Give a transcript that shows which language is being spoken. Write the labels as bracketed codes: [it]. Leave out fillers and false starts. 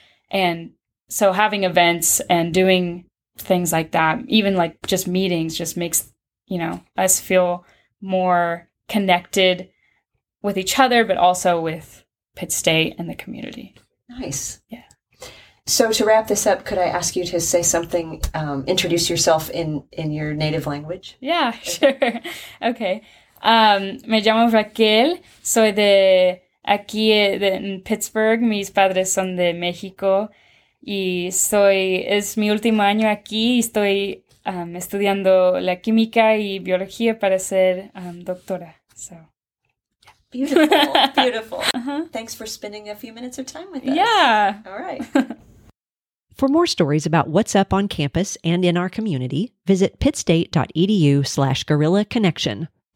[en] And so having events and doing things like that, even like just meetings, just makes, you know, us feel more connected with each other, but also with Pitt State and the community. Nice. Yeah. So to wrap this up, could I ask you to say something, introduce yourself in your native language? Yeah, sure. Okay. [es] Me llamo Raquel, soy de aquí en Pittsburgh, mis padres son de México, y es mi último año aquí, y estoy estudiando la química y biología para ser doctora. [en] So. Beautiful, beautiful. uh-huh. Thanks for spending a few minutes of time with us. Yeah. All right. For more stories about what's up on campus and in our community, visit pittstate.edu/guerrillaconnection.